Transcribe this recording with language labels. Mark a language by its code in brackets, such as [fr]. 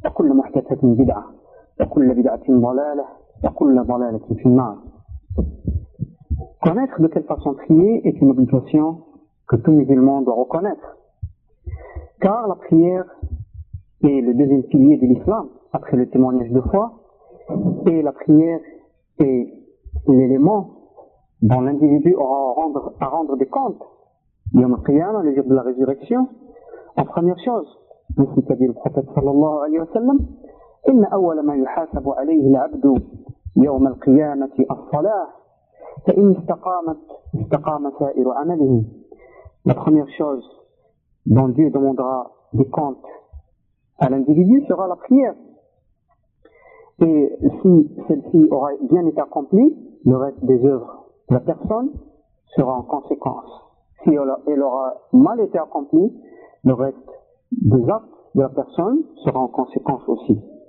[ar] محدثة بدعة وكل بدعة ضلالة وكل ضلالة في النار. [fr] Connaître de quelle façon prier est une obligation que tout musulman doit reconnaître. Car la prière est le deuxième pilier de l'islam après le témoignage de foi, et la prière est l'élément dont l'individu aura à rendre des comptes Yom Qiyamah, le jour de la résurrection. En première chose, ainsi qu'a dit le prophète sallallahu alayhi wa sallam, [ar] إِنَّ أَوَّلَ مَا يُحَاسَبُ عَلَيْهِ الْعَبْدُ يَوْمَ الْقِيَامَةِ الصَّلَاةِ فَإِنْ اسْتَقَامَ سَائِرُ عَمَلِهِ. [fr] La première chose dont Dieu demandera des comptes à l'individu sera la prière. Et si celle-ci aura bien été accomplie, le reste des œuvres de la personne sera en conséquence. Si elle aura mal été accomplie, le reste des actes de la personne sera en conséquence aussi.